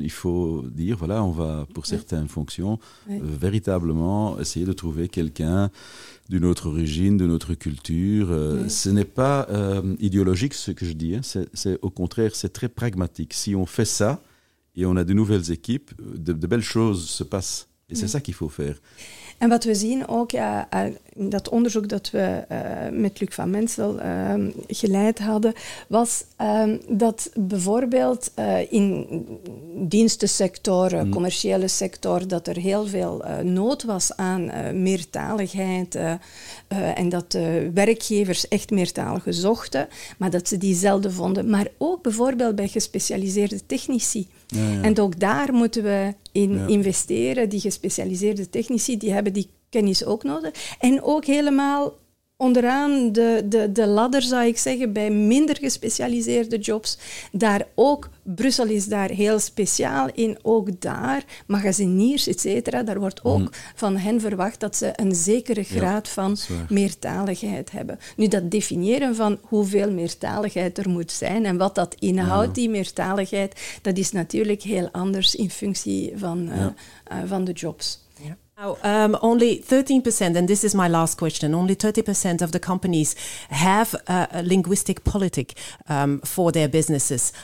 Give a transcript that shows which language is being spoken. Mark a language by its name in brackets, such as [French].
[French] Il faut dire, voilà, on va, pour certaines fonctions, véritablement essayer de trouver quelqu'un d'une autre origine, d'une autre culture. Ce n'est pas idéologique ce que je dis. Hein. C'est, au contraire, c'est très pragmatique. Si on fait ça, et on a de nouvelles équipes, de belles choses se passent. Et c'est ça qu'il faut faire. [Dutch] En wat we zien ook in dat onderzoek dat we met Luc van Mensel geleid hadden, was dat bijvoorbeeld in dienstensector, commerciële sector, dat er heel veel nood was aan meertaligheid en dat de werkgevers echt meertaligen zochten, maar dat ze die zelden vonden. Maar ook bijvoorbeeld bij gespecialiseerde technici. En ook daar moeten we in investeren. Die gespecialiseerde technici, die hebben die kennis ook nodig. En ook helemaal onderaan de ladder, zou ik zeggen, bij minder gespecialiseerde jobs. Daar ook, Brussel is daar heel speciaal in. Ook daar, magaziniers, et cetera, daar wordt ook van hen verwacht dat ze een zekere graad van meertaligheid hebben. Nu, dat definiëren van hoeveel meertaligheid er moet zijn en wat dat inhoudt, die meertaligheid, dat is natuurlijk heel anders in functie van de jobs. [English] Now, only 13%, and this is my last question, only 30% of the companies have a linguistic politic for their businesses.